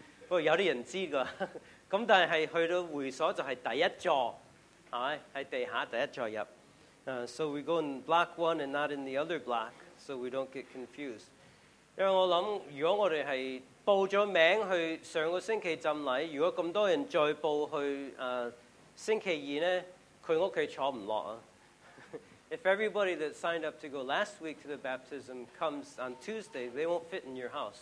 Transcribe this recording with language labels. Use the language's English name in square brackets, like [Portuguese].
[Cantonese] 不過有啲人知噶，咁但係去到會所就係第一座，係喺地下第一座入。 [English] So we go in block one and not in the other block， so we don't get confused。 [Cantonese] 因為我諗，如果我哋係報咗名去上個星期浸禮，如果咁多人再報去星期二咧，佢屋企坐唔落啊。 [English] If everybody that signed up to go last week to the baptism comes on Tuesday, they won't fit in your house.